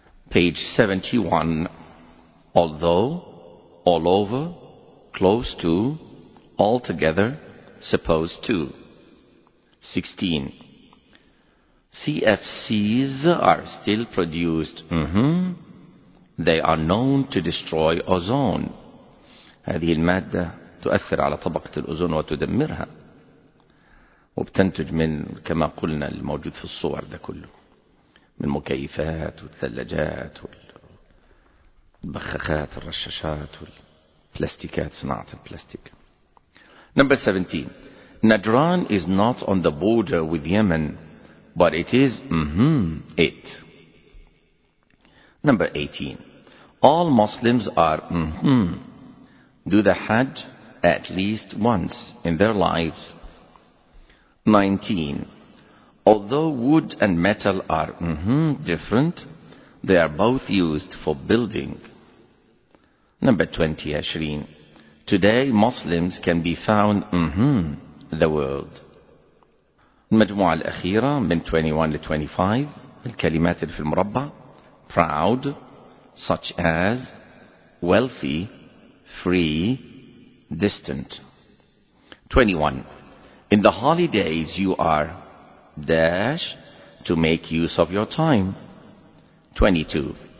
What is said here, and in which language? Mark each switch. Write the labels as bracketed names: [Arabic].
[English] Page 71. Although, all over, close to, altogether, supposed to. 16. CFCs are still produced. They are known to destroy ozone. [Arabic] هذه المادة تؤثر على طبقة الأوزون وتدمرها وبتنتج من كما قلنا الموجود في الصور ده كله من مكيفات والثلاجات والبخاخات الرشاشات والبلاستيكات صناعة البلاستيك. [English] Number 17. Najran is not on the border with Yemen, but it is it. Number 18. All Muslims are do the Hajj at least once in their lives. 19. Although wood and metal are different, they are both used for building. Number 20, Ashreen. Today Muslims can be found the world. [Arabic] المجموعة الأخيرة من 21 to 25 الكلمات في المربع. [English] Proud, such as, wealthy, free, distant. 21. In the holidays you are dash to make use of your time. 22.